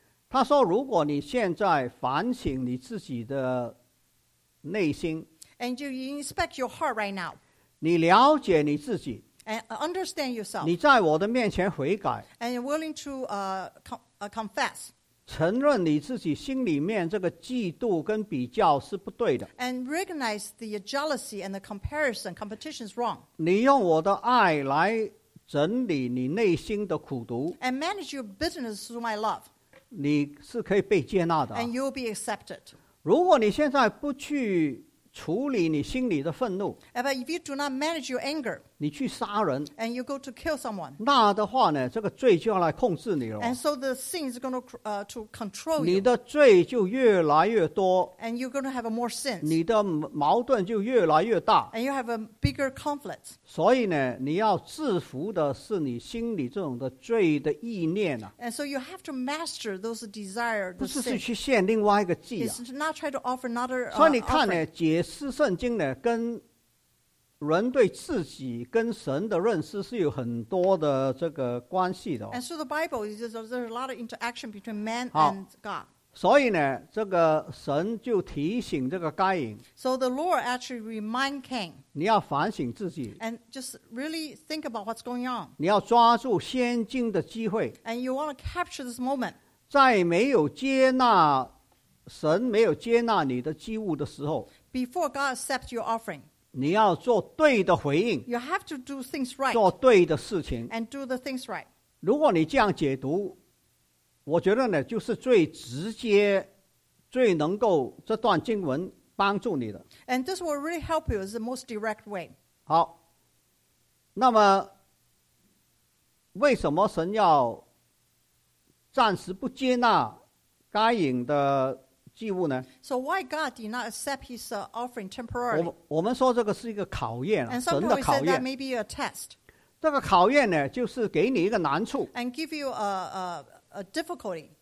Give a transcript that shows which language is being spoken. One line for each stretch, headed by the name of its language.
Chinese: 他说，如果你现在反省你自己的内心
English: ，and you inspect your heart right now,
Chinese: 你了解你自己。
English: And understand yourself.
Chinese: 你在我的面前悔改。
English: And you're willing to confess.
Chinese: 承认你自己心里面这个嫉妒跟比较是不对的。
English: And recognize the jealousy and the comparison, competition is wrong.
Chinese: 你用我的爱来整理你内心的苦毒。
English: And manage your bitterness through my love.
Chinese: 你是可以被接纳的。
English: And you'll be accepted.
Chinese: 如果你现在不去处理你心里的愤怒
English: But if you do not manage your anger
Chinese: 你去杀人
English: and you go to kill someone
Chinese: 那的话呢这个罪就要来控制你了
English: and so the sin is going to control you
Chinese: 你的罪就越来越多
English: and you're going to have more sins
Chinese: 你的矛盾就越来越大
English: and you have a bigger conflict
Chinese: 所以呢你要制服的是你心里这种的罪的意念、啊、
English: and so you have to master those desires
Chinese: 不是去献另外一个祭、啊、
English: it's not try to offer another offering
Chinese: 所以你看呢解解释圣经呢，跟人对自己跟神的认识是有很多的这个关系的、哦。
English: And so the Bible is just, there's a lot of interaction between man and God.
Chinese: 所以呢，这个神就提醒这个该隐。
English: So the Lord actually remind Cain.
Chinese: 你要反省自己。
English: And just really think about what's going on.
Chinese: 你要抓住先进的机会。
English: And you want to capture this moment.
Chinese: 在没有接纳神没有接纳你的祭物的时候。
English: Before God accepts your offering,
Chinese: 你要做对的回应,
English: you have to do things right,
Chinese: 做对的事情,
English: and do the things right.
Chinese: 如果你这样解读, 我觉得呢, 就是最直接, 最能够这段经文帮助你的。
English: And this will really help you, is the most direct way.
Chinese: 好, 那么, 为什么神要暂时不接纳该隐的祭物呢?
English: So why God did not accept his offering temporarily?
Chinese: 我们说这个是一个考验, 神的考验。
English: And some people said that may be a test.
Chinese: 这个考验呢,就是给你一个难处。
English: And give you a difficulty.